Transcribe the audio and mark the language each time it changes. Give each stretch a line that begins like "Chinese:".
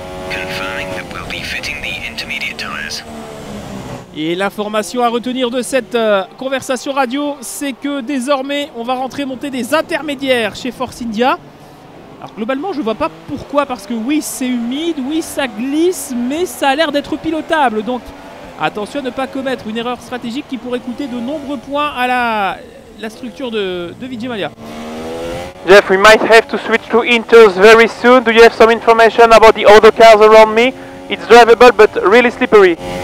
English: Confirming that we'll be fitting the intermediate tires.
French: Et l'information à retenir de cette conversation radio, c'est que désormais, on va rentrer monter des intermédiaires chez Force India. Alors globalement, je ne vois pas pourquoi, parce que oui, c'est humide, oui, ça glisse, mais ça a l'air d'être pilotable. Donc attention à ne pas commettre une erreur stratégique qui pourrait coûter de nombreux points à la structure de Vijay Mallya.
English: Jeff, we might have to switch to inters very soon. Do you have some information about the other cars around me? It's drivable, but really slippery.